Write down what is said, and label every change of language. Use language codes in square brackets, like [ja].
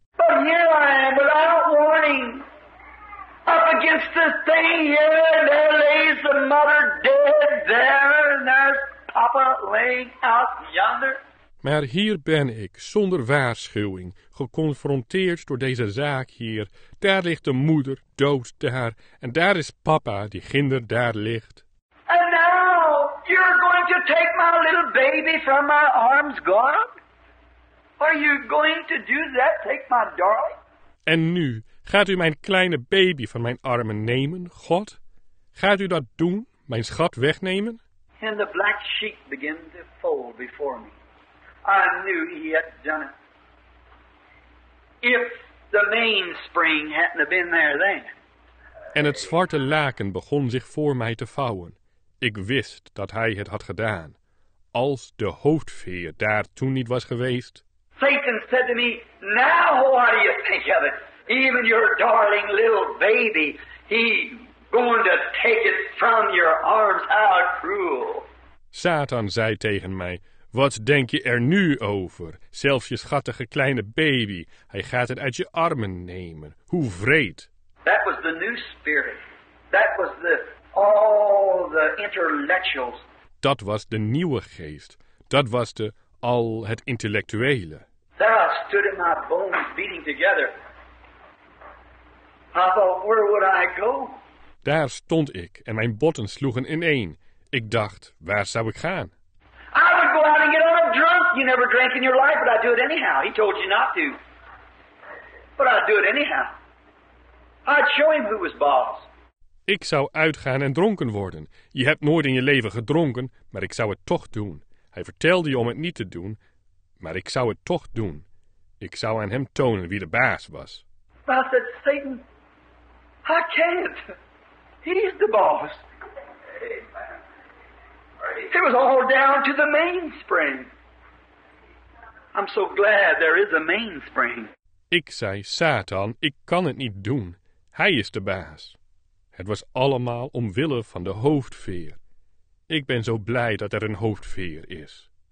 [en] But here I am without warning. Up against this thing here and there lays the mother dead there and there's papa papa laying out yonder? [nl] Maar hier ben ik, zonder waarschuwing, geconfronteerd door deze zaak hier. Daar ligt de moeder, dood daar, en daar is papa, die ginder daar ligt. [en] And now, you're going to take my little baby from my arms, God? Are you going to do that, take my darling? [nl] En nu, gaat u mijn kleine baby van mijn armen nemen, God? Gaat u dat doen, mijn schat wegnemen? [en] And the black sheep began to fold before me. I knew he had done it. If the mainspring hadn't have been there then. [nl] En het zwarte laken begon zich voor mij te vouwen. Ik wist dat hij het had gedaan. Als de hoofdveer daar toen niet was geweest. [en] Satan said to me, now what do you think of it? Even your darling little baby, he going to take it from your arms. How cruel. [nl] Satan zei tegen mij, wat denk je er nu over? Zelfs je schattige kleine baby, hij gaat het uit je armen nemen. Hoe wreed. [en] That was the new spirit. That was the all the intellectuals. [nl] Dat was de nieuwe geest. Dat was de al het intellectuele. [en] There I stood in my bones beating together. I thought, where would I go? [nl] Daar stond ik en mijn botten sloegen ineen. Ik dacht, waar zou ik gaan? [en] I would go out and get all drunk. You never drank in your life, but I'd do it anyhow. He told you not to. But I'd do it anyhow. I'd show him who was boss. [nl] Ik zou uitgaan en dronken worden. Je hebt nooit in je leven gedronken, maar ik zou het toch doen. Hij vertelde je om het niet te doen, maar ik zou het toch doen. Ik zou aan hem tonen wie de baas was. [en] But I said, Satan, I can't. He's the boss. It was all down to the mainspring. I'm so glad there is a mainspring. [nl] Ik zei, Satan, ik kan het niet doen. Hij is de baas. Het was allemaal omwille van de hoofdveer. Ik ben zo blij dat er een hoofdveer is.